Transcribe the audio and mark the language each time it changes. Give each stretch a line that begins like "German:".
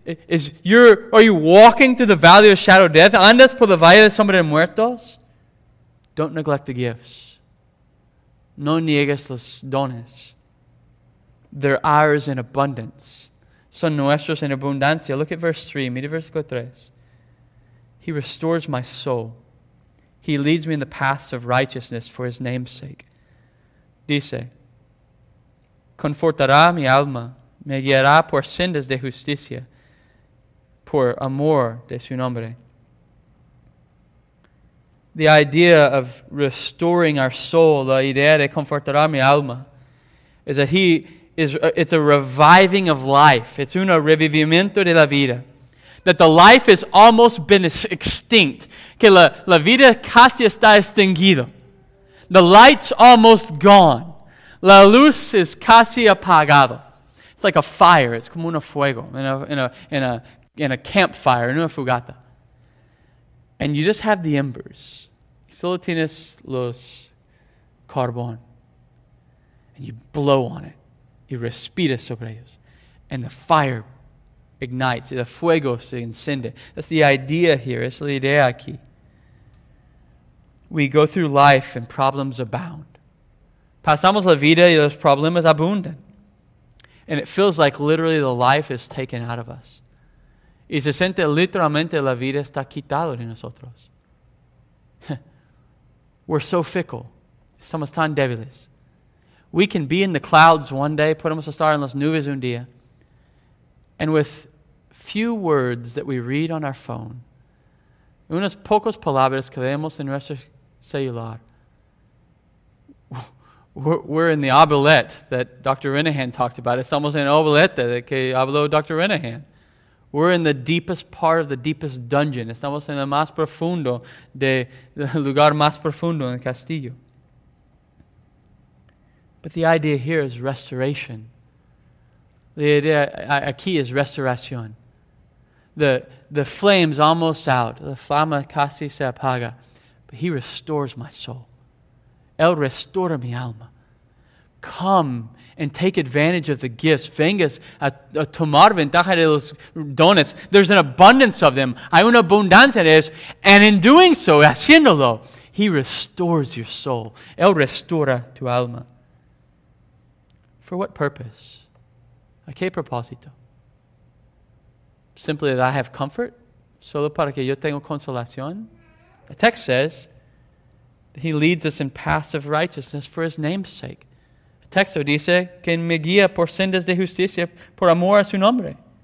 English: Are you walking through the valley of shadow death?
Spanish: ¿Andas por la valle de sombra de muertos?
English: Don't neglect the gifts.
Spanish: No niegues los dones.
English: They're ours in abundance.
Spanish: Son nuestros en abundancia.
English: Look at verse 3.
Spanish: Mira versículo 3.
English: He restores my soul. He leads me in the paths of righteousness for His name's sake.
Spanish: Dice, confortará mi alma, me guiará por sendas de justicia, por amor de su nombre.
English: The idea of restoring our soul,
Spanish: la idea de confortará mi alma,
English: is that it's a reviving of life. It's
Spanish: un revivimiento de la vida.
English: That the life has almost been extinct.
Spanish: Que la vida casi está extinguida.
English: The light's almost gone.
Spanish: La luz es casi apagado.
English: It's like a fire. It's
Spanish: como un fuego
English: in a campfire, in
Spanish: una fogata.
English: And you just have the embers.
Spanish: solo tienes los carbón.
English: And you blow on it.
Spanish: Y respiras sobre ellos.
English: And the fire ignites.
Spanish: El fuego se enciende.
English: That's the idea here.
Spanish: Es la idea aquí.
English: We go through life and problems abound.
Spanish: Pasamos la vida y los problemas abundan.
English: And it feels like literally the life is taken out of us.
Spanish: Y se siente literalmente la vida está quitada de nosotros.
English: We're so fickle.
Spanish: Estamos tan débiles.
English: We can be in the clouds one day,
Spanish: podemos estar en las nubes un día,
English: and with few words that we read on our phone,
Spanish: unas pocas palabras que leemos en nuestro celular,
English: we're in the obelette that Dr. Renahan talked about.
Spanish: Estamos en obelette de que habló Dr. Renahan.
English: We're in the deepest part of the deepest dungeon.
Spanish: Estamos en el más profundo de lugar más profundo en el castillo.
English: But the idea here is restoration. The idea aquí is restauración. The flame's almost out.
Spanish: La flama casi se apaga.
English: But he restores my soul.
Spanish: Él restaura mi alma.
English: Come and take advantage of the gifts.
Spanish: Vengas a tomar ventaja de los dones.
English: There's an abundance of them.
Spanish: Hay una abundancia de ellos.
English: And in doing so, haciéndolo, he restores your soul.
Spanish: Él restaura tu alma.
English: For what purpose?
Spanish: ¿A qué propósito?
English: Simply that I have comfort?
Spanish: Solo para que yo tenga consolación?
English: The text says that he leads us in paths of righteousness for his name's sake.
Spanish: Texto dice que me guía por sendas de justicia por amor a su nombre.